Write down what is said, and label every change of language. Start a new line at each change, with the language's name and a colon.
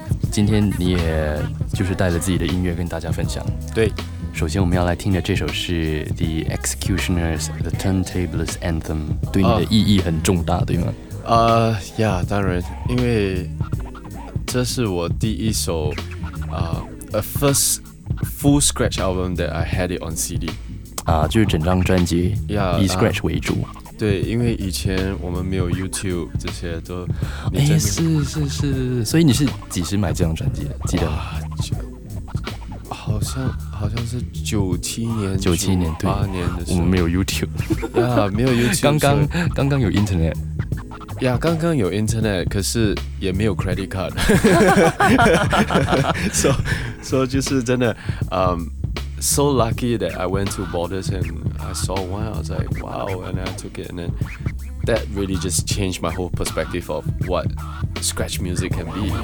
Chinese: 今天你也就是带着自己的音乐跟大家分享。对。首先我们要来听的这首是 The Executioner's The Turntables Anthem， 对你的意义很重大，对吗？
English: Yeah，
Chinese: 当然，因为这是我第一首
English: a first full scratch album that I had it on CD。
Chinese: 就是整张专辑 yeah, 以 scratch 为主。对，因为以前我们没有 YouTube 这些都。是，所以你是几时买这张专辑的？记得吗？好像是97年、 98年的时候，我们没有 YouTube，呀，没有 YouTube，刚刚有 Internet，呀，刚刚有 Internet， 可是也没有 Credit Card， 所以就是真的，
English: so lucky that I went to Borders and I saw one, I was like wow, and I took it, and then that really just changed my whole perspective of what scratch music can be, you know.